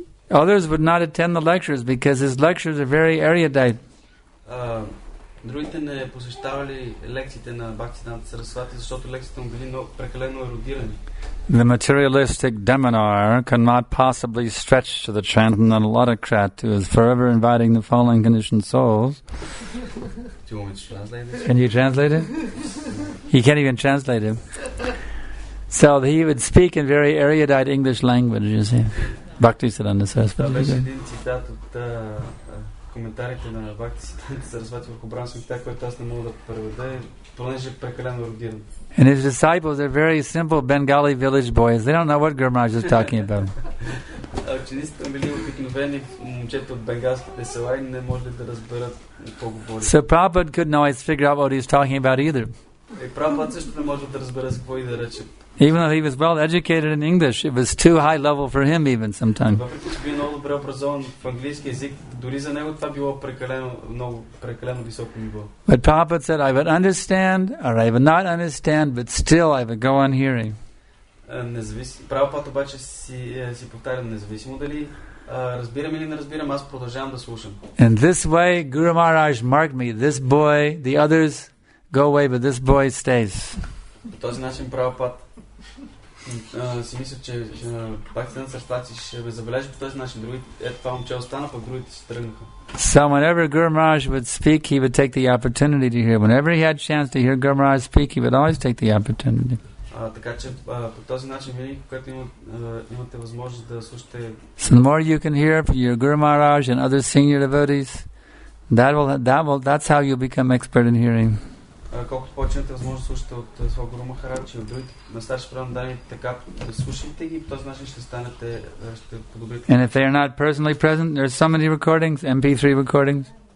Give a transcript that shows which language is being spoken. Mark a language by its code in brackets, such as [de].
[en] Others would not attend the lectures because his lectures are very erudite. [bg] Другите не посещавали лекциите на Бхактисиддханта Сарасвати, защото лекциите му били прекалено ерудирани. [en] The materialistic Deminar cannot possibly stretch to the transcendental autocrat who is forever inviting the fallen conditioned souls. Do you want me to translate it? Can you translate it? He can't even translate it. So he would speak in very erudite English language, you see. Bhaktisiddhanta Sarasvati. [bg] коментарите на Бхакти Сиддханта Сарасвати върху Брама Свамита, което аз не мога да преведа, понеже е прекалено ерудиран. [en] And his disciples are very simple Bengali village boys. They don't know what Guru Maharaj is talking about. [bg] Учениците били обикновени момчета от бенгалските села и не може да разберат какво говори. [en] So Prabhupada could not always figure out what he's talking about either. [bg] И Прабхупад също не може да разбере какво и да рече. [en] Even though he was well educated in English, it was too high level for him even sometimes. [bg] Въпреки че бил много добре образован в английски език, дори за него това било прекалено много, прекалено високо ниво. [en] But Prabhupada said, I would understand or I would not understand, but still I would go on hearing. [bg] Прабхупад обаче си повтарям, независимо дали разбирам или не разбирам, аз продължавам да слушам. [en] In this way, Guru Maharaj marked me, this boy, the others go away, but this boy stays. [bg] По този начин Прабхупад си мисля, че Бхактисиддхан Сарасвати ще ме забележи, по този начин другите, ето това момче остана, пък другите се тръгнаха. [en] So whenever Guru Maharaj would speak, he would take the opportunity to hear. Whenever he had chance to hear Guru Maharaj speak, he would always take the opportunity. [bg] Така че по този начин винаги, когато имате възможност да слушате. [en] So the more you can hear from your Guru Maharaj and other senior devotees, that's how you become expert in hearing. [bg] Колкото почнете възможност да слушате от своя Гуру Махарадж и от други на старши преданни, така слушайте ги, по този начин ще станете, ще подобрите. [en] And if they are not personally present, there are so many recordings, MP3 recordings.